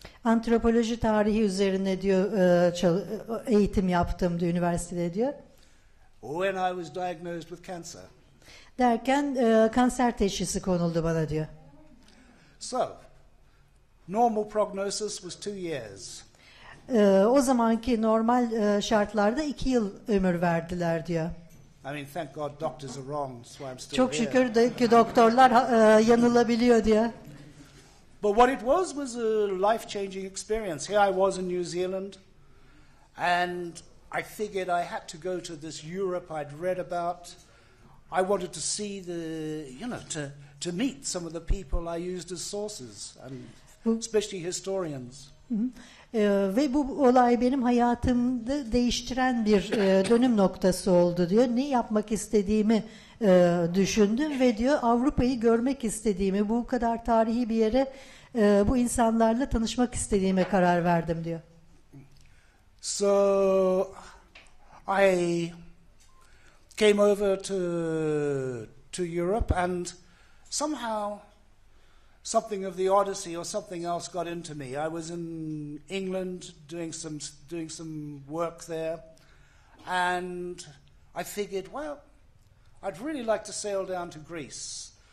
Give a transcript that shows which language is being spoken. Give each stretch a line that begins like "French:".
Turkish: Antropoloji tarihi üzerine diyor eğitim yaptım diyor üniversitede diyor.
English: When I was diagnosed with cancer.
Turkish: Derken kanser teşhisi konuldu bana diyor.
English: So, normal prognosis was 2 years.
Turkish: O zamanki normal şartlarda 2 yıl ömür verdiler diyor.
English: I mean, thank God doctors are wrong, so I'm still
Turkish: çok
English: here.
Turkish: Çok şükür ki doktorlar yanılabiliyor diye.
English: But what it was a life-changing experience. Here I was in New Zealand, and I figured I had to go to this Europe I'd read about. I wanted to see the, you know, to meet some of the people I used as sources, and especially historians.
Turkish: Ve bu olay benim hayatımda değiştiren bir dönüm noktası oldu diyor. Ne yapmak istediğimi düşündüm ve diyor Avrupa'yı görmek istediğimi, bu kadar tarihi bir yere bu insanlarla tanışmak istediğime karar verdim diyor.
English: So I came over to Europe and somehow something of the Odyssey or something else got into me. I was in England doing some work there, and I figured, well, I'd really like to sail down to Greece.